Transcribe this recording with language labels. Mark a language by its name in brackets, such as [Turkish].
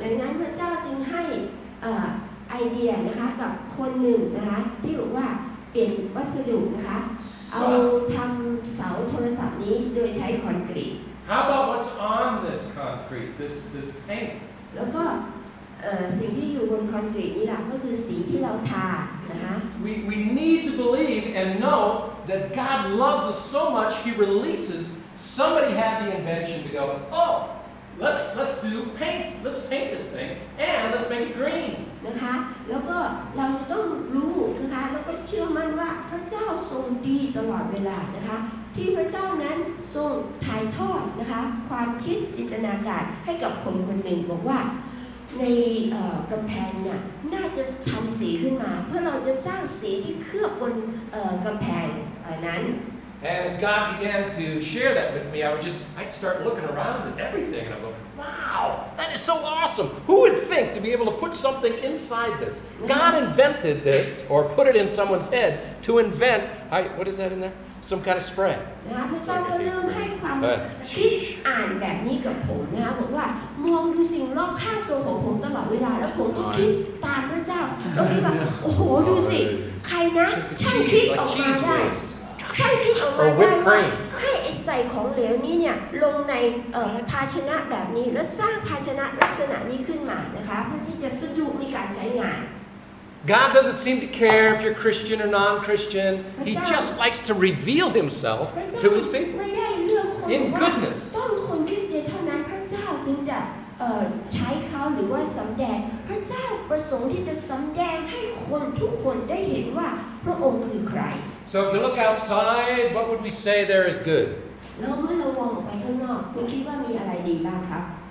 [Thai] ดังนั้นพระเจ้าจึงให้ไอเดียนะคะกับคนหนึ่งนะคะที่บอกว่าเปลี่ยนวัสดุนะคะเอาทำเสาโทรศัพท์นี้โดยใช้คอนกรีต [English] How about what's on this concrete? This paint. [Thai] แล้วก็สิ่งที่อยู่บนคอนกรีตนี่แหละก็คือสีที่เราทานะคะ [English] We need to believe and know that God loves us so much He releases somebody had the invention to go oh let's do paint let's paint this thing and let's make it green [Thai] นะคะแล้วก็เราต้องรู้นะคะแล้วก็เชื่อมั่นว่าพระเจ้าทรงดีตลอดเวลานะคะที่พระเจ้านั้นทรงถ่ายทอดนะคะความคิดจินตนาการให้กับคนคนหนึ่งบอกว่าในกำแพงเนี่ยน่าจะทำสีขึ้นมาเพื่อเราจะสร้างสีที่เคลือบบนกำแพงนั้น [English] And as God began to share that with me, I'd start looking around at everything, and I'm going, "Wow, that is so awesome! Who would think to be able to put something inside this? God invented this, or put it in someone's head to invent. What is that in there?" Some kind of spray. [Thai] นะพระเจ้าก็เริ่มให้ความคิดอ่านแบบนี้กับผมนะบอกว่ามองดูสิ่งรอบข้างตัวของผมตลอดเวลาแล้วผมก็คิดตามพระเจ้าแล้วคิดแบบโอ้โหดูสิใครนะช่างคิดออกมาได้ช่างคิดออกมาได้ว่าให้ใส่ของเหลวนี้เนี่ยลงในภาชนะแบบนี้แล้วสร้างภาชนะลักษณะนี้ขึ้นมานะคะเพื่อที่จะสะดวกในการใช้งาน [English] God doesn't seem to care if you're Christian or non-Christian. He just likes to reveal himself to his people. In goodness. [Thai] ต้องคนคริสเตียนเท่านั้นพระเจ้าถึงจะใช้เขาหรือว่าสำแดงพระเจ้าประสงค์ที่จะสำแดงให้คนทุกคนได้เห็นว่าพระองค์คือใคร [English] So if you look outside, what would we say there is good? [Thai] แล้วเมื่อเรามองออกไปข้างนอกคุณคิดว่ามีอะไรดีบ้างครับ